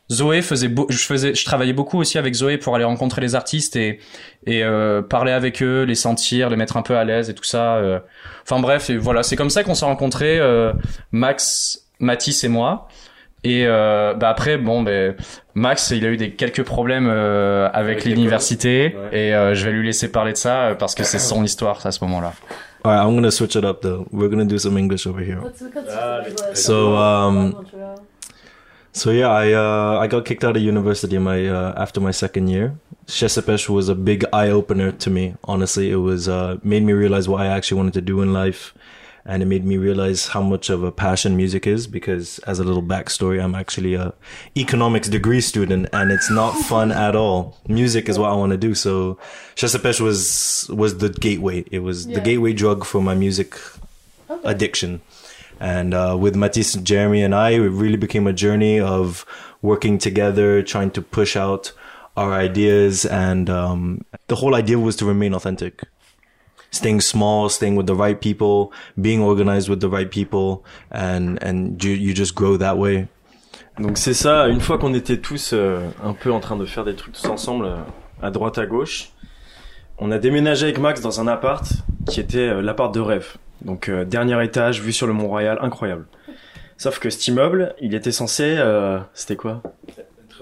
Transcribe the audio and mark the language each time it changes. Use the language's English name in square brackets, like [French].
[French] Zoé faisait je travaillais beaucoup aussi avec Zoé pour aller rencontrer les artistes et parler avec eux, les sentir, les mettre un peu à l'aise et tout ça. Enfin bref, et voilà, c'est comme ça qu'on s'est rencontrés, Max, Mathis et moi. Et bah après, bon, ben Max, il a eu quelques problèmes avec l'université, ouais. Et je vais lui laisser parler de ça parce que c'est son histoire à ce moment-là. [English] All right, I'm gonna switch it up though. We're gonna do some English over here. So yeah, I got kicked out of university after my second year. Chasse et Pêche was a big eye-opener to me, honestly. It was made me realize what I actually wanted to do in life. And it made me realize how much of a passion music is, because as a little backstory, I'm actually a economics degree student and it's not fun at all. Music is what I want to do. So Chasse et Pêche was the gateway. It was the gateway drug for my music addiction. And with Mathis, Jeremy and I, it really became a journey of working together, trying to push out our ideas. And the whole idea was to remain authentic, staying small, staying with the right people, being organized with the right people. And you just grow that way. [French] Donc c'est ça, une fois qu'on était tous un peu en train de faire des trucs tous ensemble, à droite, à gauche, on a déménagé avec Max dans un appart qui était l'appart de rêve. Donc dernier étage, vue sur le Mont-Royal, incroyable. Sauf que cet immeuble, il était censé, c'était quoi ?